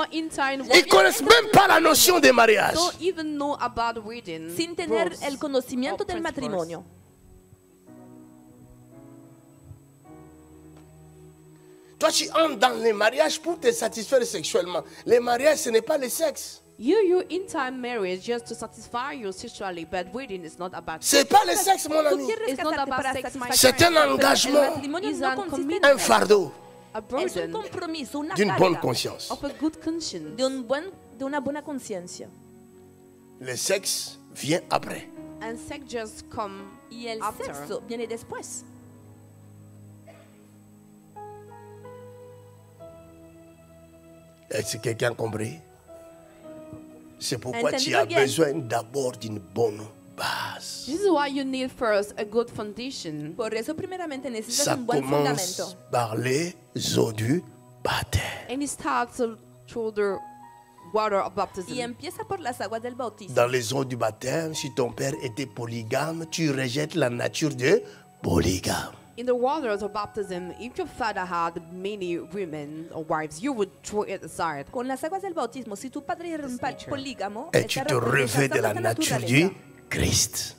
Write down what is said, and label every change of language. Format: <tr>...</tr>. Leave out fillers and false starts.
<fr>Ils connaissent même pas la notion des mariages.</fr> <en>Don't even know about wedding.</en> <es>Sin tener el conocimiento del matrimonio.</es> <fr>Toi, tu entres dans les mariages pour te satisfaire sexuellement. Les mariages, ce n'est pas le sexe.</fr> <en>You enter marriage just to satisfy you sexually, but wedding is not about sex.</en> <fr>C'est pas le sexe, mon ami.</fr> <en>It's not about sex, my</en> <fr>c'est un engagement, un fardeau, d'une bonne conscience.</fr> <en>Of a good conscience.</en> <fr>D'une bonne conscience. Le sexe vient après.</fr> <en>And sex just comes</en> <fr>et</fr> <en>after.</en> <es>Sexo viene después.</es> <fr>Est-ce que quelqu'un compris? C'est pourquoi tu as besoin d'abord d'une bonne base.</fr> <en>This is why you need first a good foundation.</en> <es>Por eso primeramente necesitas</es> <fr>ça</fr> <es>un buen</es> <fr>commence</fr> <es>fundamento.</es> <fr>Par les eaux du baptême.</fr> <en>And it starts through the water of baptism.</en> <es>Y empieza por las aguas del bautismo.</es> <fr>Dans les eaux du baptême, si ton père était polygame, tu rejettes la nature de polygame.</fr> <en>In the waters of baptism, if your father had many women or wives, you would throw it aside.</en> <es>Con las aguas del bautismo, si tu padre era un polígamo,</es> <fr>et tu te revêt de la nature du Christ.</fr>